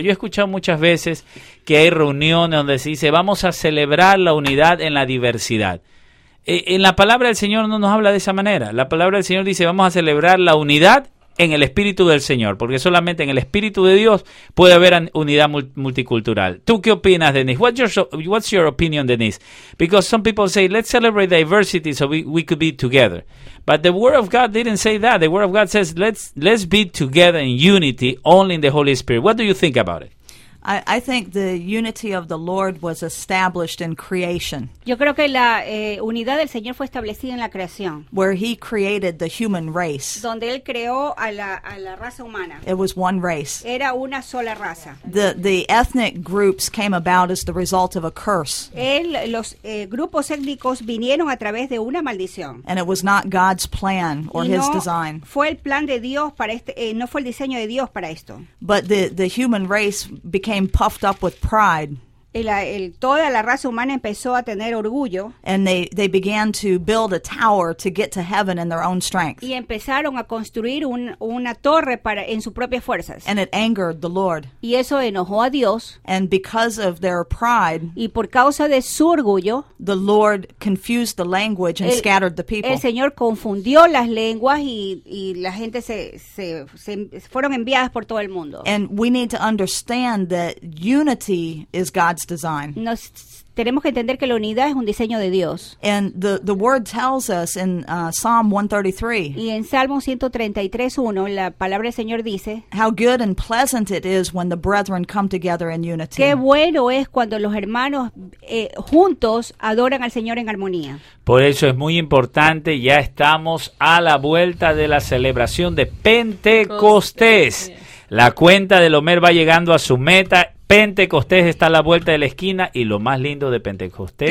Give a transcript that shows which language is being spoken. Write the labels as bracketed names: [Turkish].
[Spanish] Yo he escuchado muchas veces que hay reuniones donde se dice, vamos a celebrar la unidad en la diversidad. En la palabra del Señor no nos habla de esa manera. La palabra del Señor dice, vamos a celebrar la unidad en el Espíritu del Señor, porque solamente en el Espíritu de Dios puede haber unidad multicultural. ¿Tú qué opinas, Denise? [English] What's your opinion, Denise? Because some people say, let's celebrate diversity so we could be together. But the Word of God didn't say that. The Word of God says, let's be together in unity only in the Holy Spirit. What do you think about it? I think the unity of the Lord was established in creation. [Spanish] Yo creo que la unidad del Señor fue establecida en la creación. [English] Where he created the human race. [Spanish] Donde él creó a la raza humana. [English] It was one race. [Spanish] Era una sola raza. [English] The ethnic groups came about as the result of a curse. [Spanish] Los grupos étnicos vinieron a través de una maldición. [English] And it was not God's plan or his design. [Spanish] Fue el plan de Dios para no fue el diseño de Dios para esto. [English] But the human race became puffed up with pride. [Spanish] Toda la raza humana empezó a tener orgullo. [English] And they began to build a tower to get to heaven in their own strength. [Spanish] Y empezaron a construir una torre para en sus propias fuerzas. [English] And it angered the Lord. [Spanish] Y eso enojó a Dios. [English] And because of their pride, [Spanish] y por causa de su orgullo, [English] the Lord confused the language and scattered the people. [Spanish] El Señor confundió las lenguas y la gente se fueron enviadas por todo el mundo. [English] And we need to understand that unity is God. God's design. [Spanish] Nos tenemos que entender que la unidad es un diseño de Dios. [English] And the word tells us in Psalm 133. [Spanish] Y en Salmo 133:1 la palabra del Señor dice, [English] how good and pleasant it is when the brethren come together in unity. [Spanish] Qué bueno es cuando los hermanos juntos adoran al Señor en armonía. Por eso es muy importante, ya estamos a la vuelta de la celebración de Pentecostés. La cuenta de Lomer va llegando a su meta Pentecostés está a la vuelta de la esquina y lo más lindo de Pentecostés.